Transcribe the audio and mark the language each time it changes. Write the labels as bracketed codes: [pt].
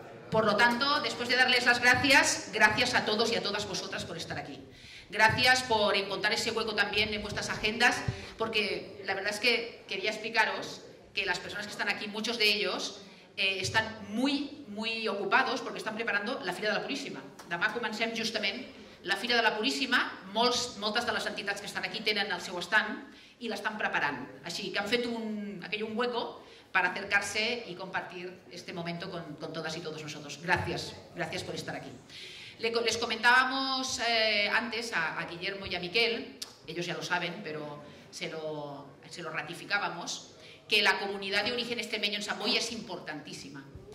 [es] Por lo tanto, después de darles las gracias, gracias a todos y a todas vosotras por estar aquí. Gracias por encontrar ese hueco también en vuestras agendas, porque la verdad es que quería explicaros que las personas que están aquí, muchos de ellos, están muy, muy ocupados porque están preparando la Fira de la Puríssima. [ca] Demà comencem justament la Fira de la Puríssima. Moltes de les entitats que estan aquí tenen el seu stand i l'estan preparant. Així que han fet [es] un hueco para acercarse y compartir este momento con todas y todos nosotros. Gracias, gracias por estar aquí. Les comentábamos antes a Guillermo y a Miquel, ellos ya lo saben, pero se lo ratificábamos, que la comunidad de origen extremeño en Samboy es importantísima.